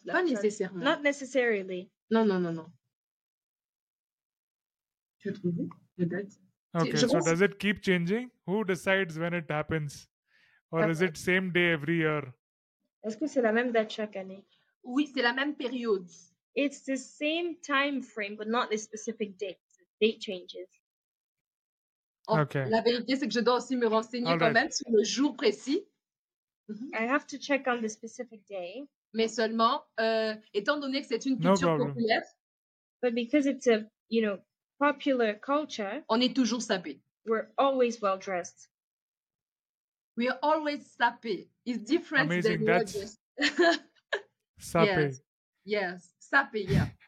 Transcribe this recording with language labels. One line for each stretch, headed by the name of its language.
French: Pas nécessairement.
English: Not necessarily.
French: Non. Tu as trouvé la date?
English: Okay, so does it keep changing? Who decides when it happens? Or is it same day every year?
French: Est-ce que c'est la même date chaque année? Oui, c'est la même période.
English: It's the same time frame, but not the specific date. The date changes. Oh, okay.
French: La vérité, c'est que je dois aussi me renseigner all quand right. même sur le jour précis. Mm-hmm.
English: I have to check on the specific day.
French: Mais seulement, étant donné que c'est une culture populaire.
English: But because it's a, you know, popular culture.
French: On est toujours sapé.
English: We're always well dressed. We are always sapé. It's different amazing. that's we are just.
French: Sapé.
English: Yes. Sapé, yeah.